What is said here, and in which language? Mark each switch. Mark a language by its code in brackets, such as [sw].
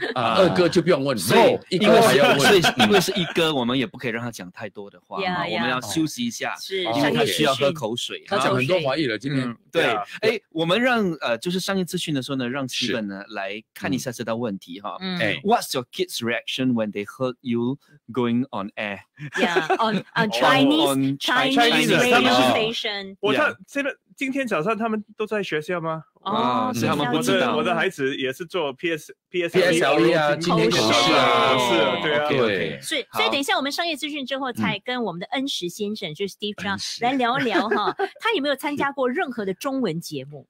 [zh] 二哥就不用问，一哥还要问，所以因为是一哥，我们也不可以让他讲太多的话我们要休息一下，是因为他需要喝口水，他讲很多华语了今天。对，我们让就是商业资讯的时候呢，让气氛呢来看一下这道问题哈。 [en] What's your kids' reaction when they heard you going on air? Yeah, on Chinese radio station. [zh] 我看这个。今天早上他们都在学校吗？所以他们不知道。我的孩子也是做 PSLE 啊，今天考试啊，是啊，对啊，对。所以等一下我们商业资讯之后，才跟我们的恩石先生，就是 Steve John 来聊聊哈，他有没有参加过任何的中文节目？